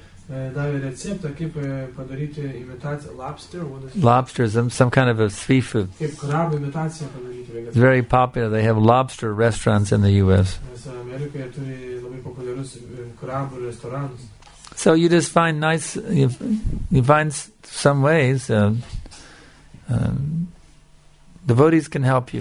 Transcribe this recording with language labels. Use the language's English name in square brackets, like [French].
[Lithuanian] davė receptą, kaip padaryti imitaciją lobster. [English] Lobster is some kind of a seafood. [Lithuanian] Kaip krabų imitaciją padaryti. [English] It's very popular. They have lobster restaurants in the U.S. [Lithuanian] Nes Amerikoje turi labai populiarus krabų restoranus. [English] So you just find nice, you find some ways, devotees can help you.